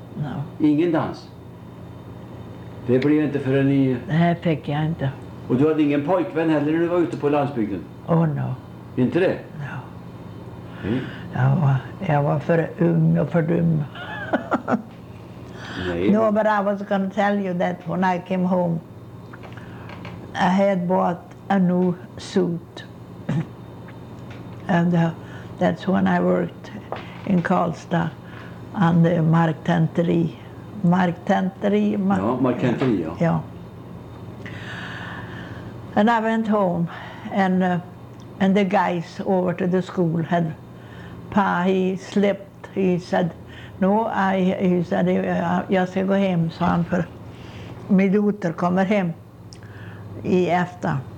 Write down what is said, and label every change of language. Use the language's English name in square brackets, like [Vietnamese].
[English] No, no. [Swedish] Ingen dans? Det blev inte förrän ni... Nej, fick jag inte. Och du hade ingen pojkvän heller när du var ute på landsbygden? [English] Oh, no. [Swedish] Inte det? [English] No. Mm. [Swedish] Jag var för ung och för dum. Nej. [English] No, but I was gonna tell you that when I came home, I had bought a new suit. And That's when I worked in Karlstad on the Mark 10-3. Yeah. Yeah. And I went home, and the guys over to the school had, Pa, he slipped. He said, no, I, he said, [Swedish] jag ska gå hem, sa han, för min dotter kommer hem i efter.